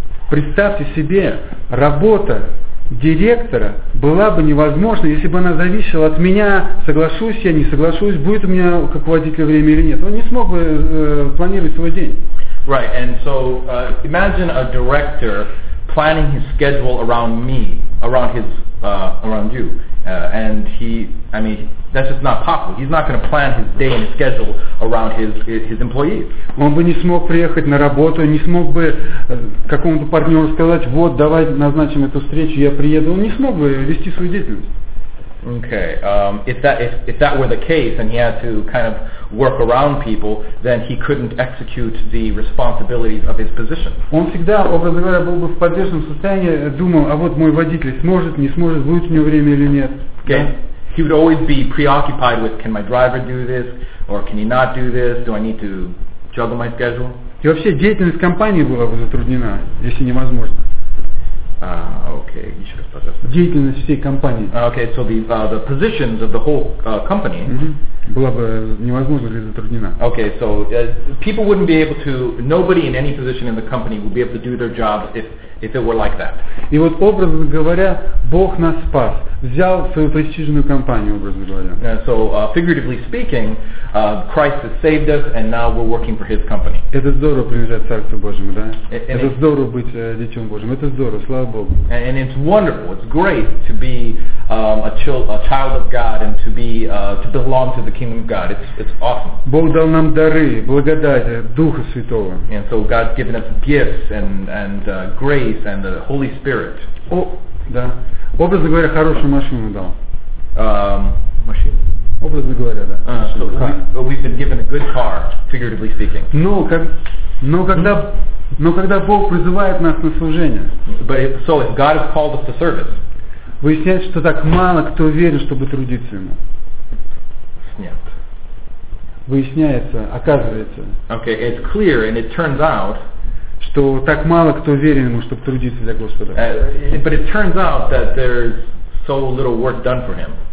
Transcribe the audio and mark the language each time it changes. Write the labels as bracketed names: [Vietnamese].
[Russian] Представьте себе, работа директора была бы невозможна, если бы она зависела от меня, соглашусь я, не соглашусь, будет у меня как водителя время или нет. Он не смог бы планировать свой день. [English] Right, and so imagine a director planning his schedule around me, around you, and that's just not possible. He's not going to plan his day and his schedule around his employees. [Russian] Он бы не смог приехать на работу, не смог бы какому-то партнеру сказать, вот, давай назначим эту встречу, я приеду. Он не смог бы вести свою деятельность. [English] Okay. If that were the case, and he had to kind of work around people, then he couldn't execute the responsibilities of his position. [Russian] Он всегда, образно говоря, был бы в подвешенном состоянии, думал, а вот мой водитель сможет, не сможет, будет у него время или нет. [English] Okay. He would always be preoccupied with, can my driver do this, or can he not do this, do I need to juggle my schedule? [Russian] И вообще деятельность компании была бы затруднена, если невозможно. Okay, еще раз, пожалуйста. Деятельность всей компании. [English] Okay, so the positions of the whole company. [Russian] Была бы невозможна или затруднена. [English] Okay, so people wouldn't be able to, nobody in any position in the company would be able to do their job if it were like that. [Russian] И вот образно говоря, Бог нас спас. взял свою престижную компанию, образно говоря. So, figuratively speaking, Christ has saved us, and now we're working for His company. Это здорово принадлежать Царству Божьему, да? Это здорово быть детем Божьим. Это здорово, слава Богу. [English] And it's wonderful. It's great to be a child of God and to belong to the kingdom of God. It's awesome. [Russian] Бог дал нам дары, благодать Духа Святого. [English] And so God's given us gifts and grace and the Holy Spirit. [Russian] О, да. Образно говоря, хорошую машину дал. Машину? Образно говоря, да. [English] So we've been given a good car, figuratively speaking. [Russian] Но когда Бог призывает нас на служение, [English] If God has called us to service, [Russian] выясняется, что так мало кто верит, чтобы трудиться ему. Нет. Выясняется, оказывается. [English] Okay, it's clear and it turns out, [Russian] что так мало кто верен ему, чтобы трудиться для Господа. [English] But it turns out that there's so little work done for him.